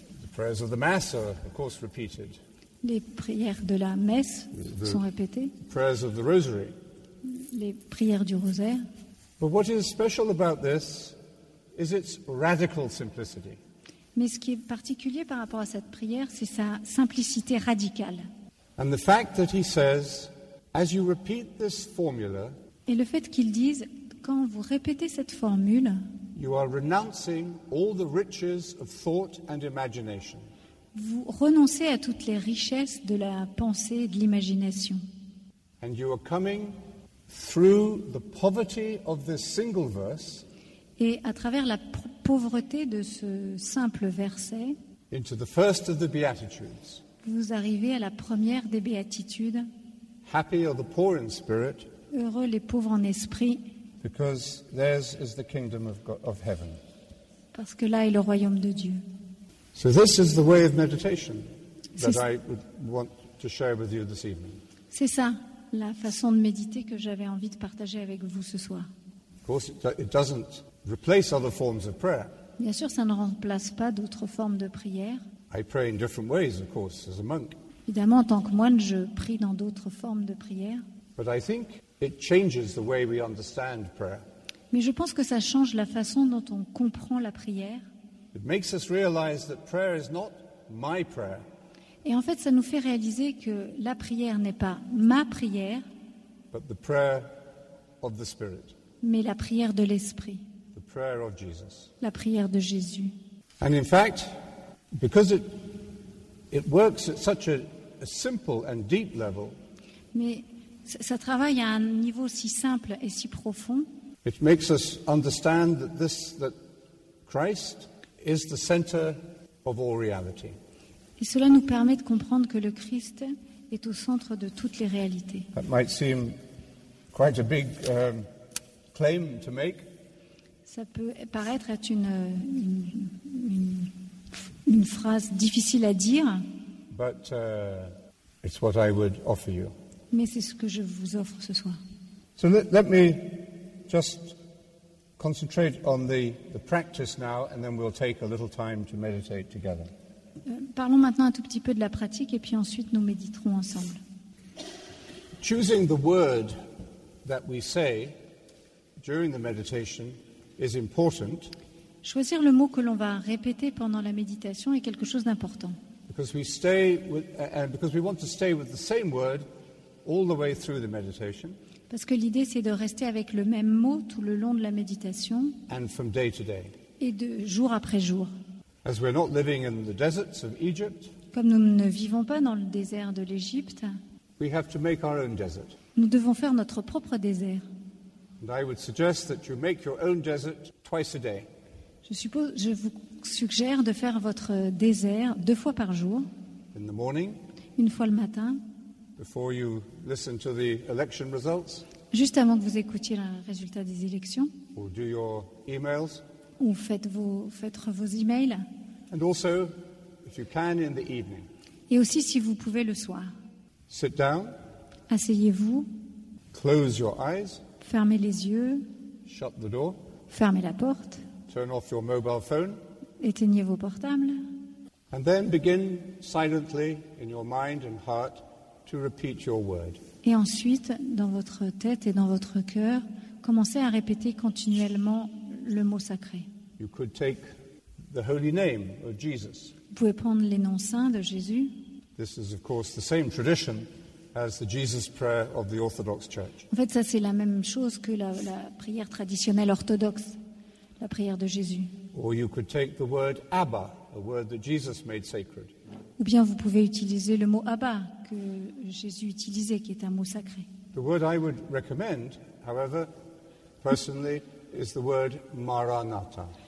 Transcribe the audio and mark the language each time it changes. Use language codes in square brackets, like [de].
[en] The prayers of the Mass are, of course, repeated. [fr] Les prières de la messe sont répétées. [en] The prayers of the Rosary. [fr] Les prières du rosaire. [en] But what is special about this? Is its radical simplicity. [fr] Mais ce qui est particulier par rapport à cette prière, c'est sa simplicité radicale. [en] And the fact that he says, as you repeat this formula, [fr] et le fait qu'il dise, quand vous répétez cette formule, [en] you are renouncing all the riches of thought and imagination. [fr] Vous renoncez à toutes les richesses de la pensée et de l'imagination. [en] And you are coming through the poverty of this single verse. [fr] Et à travers la pauvreté de ce simple verset, [en] into the first of the Beatitudes. [fr] Vous arrivez à la première des béatitudes. [en] Happy are the poor in spirit, [fr] heureux les pauvres en esprit, [en] because theirs is the kingdom of God, of heaven. [fr] Parce que là est le royaume de Dieu. [en] So this is the way of meditation that I would want to share with you this evening. [fr] C'est ça, la façon de méditer que j'avais envie de partager avec vous ce soir. [en] Of course, it doesn't replace other forms of prayer. [fr] Bien sûr, ça ne remplace pas d'autres formes de prière. [en] I pray in different ways, of course, as a monk. [fr] Évidemment, en tant que moine, je prie dans d'autres formes de prière. [en] But I think it changes the way we understand prayer. [fr] Mais je pense que ça change la façon dont on comprend la prière. [en] It makes us realize that prayer is not my prayer. [fr] Et en fait, ça nous fait réaliser que la prière n'est pas ma prière, [en] but the prayer of the Spirit. [fr] Mais la prière de l'Esprit. [en] Prayer of Jesus. [fr] La prière de Jésus. [en] And in fact, because it works at such a simple and deep level. [fr] Mais ça travaille à un niveau si simple et si profond. [en] It makes us understand that Christ is the center of all reality. [fr] Et cela nous permet de comprendre que le Christ est au centre de toutes les réalités. [en] That might seem quite a big claim to make. [fr] Ça peut paraître être une phrase difficile à dire. [en] But, it's what I would offer you. [fr] Mais c'est ce que je vous offre ce soir. [en] So let me just concentrate on the practice now, and then we'll take a little time to meditate together. [fr] Parlons maintenant un tout petit peu de la pratique, et puis ensuite nous méditerons ensemble. [en] Choosing the word that we say during the meditation. Is important. [fr] Choisir le mot que l'on va répéter pendant la méditation est quelque chose d'important. [en] Because we stay with, and because we want to stay with the same word all the way through the meditation. [fr] Parce que l'idée c'est de rester avec le même mot tout le long de la méditation. [en] And from day to day. [fr] Et de jour après jour. [en] As we're not living in the deserts of Egypt. [fr] Comme nous ne vivons pas dans le désert de l'Égypte. [en] We have to make our own desert. [fr] Nous devons faire notre propre désert. [en] And I would suggest that you make your own desert twice a day. [fr] Je vous suggère de faire votre désert deux fois par jour. [en] In the morning. [fr] Une fois le matin. [en] Before you listen to the election results. [fr] Juste avant que vous écoutiez le résultat des élections. [en] Or do your emails. [fr] Ou faites vos emails. [en] And also, if you can, in the evening. [fr] Et aussi si vous pouvez le soir. [en] Sit down. [fr] Asseyez-vous. [en] Close your eyes. [fr] Fermez les yeux. [en] Shut the door. [fr] Fermez la porte. [en] Turn off your mobile phone. [fr] Éteignez vos portables. [en] And then begin silently in your mind and heart to repeat your word. [fr] Et ensuite, dans votre tête et dans votre cœur, commencez à répéter continuellement le mot sacré. [en] You could take the holy name of Jesus. [fr] Vous pouvez prendre les noms saints de Jésus. [en] This is of course the same tradition as the Jesus prayer of the Orthodox Church. [fr] En fait, ça c'est la même chose que la prière traditionnelle orthodoxe, la prière de Jésus. [en] Or you could take the word Abba, a word that Jesus made sacred. [fr] Ou bien vous pouvez utiliser le mot Abba que Jésus utilisait, qui est un mot sacré. [en] The word I would recommend, however, personally, is the word Maranatha.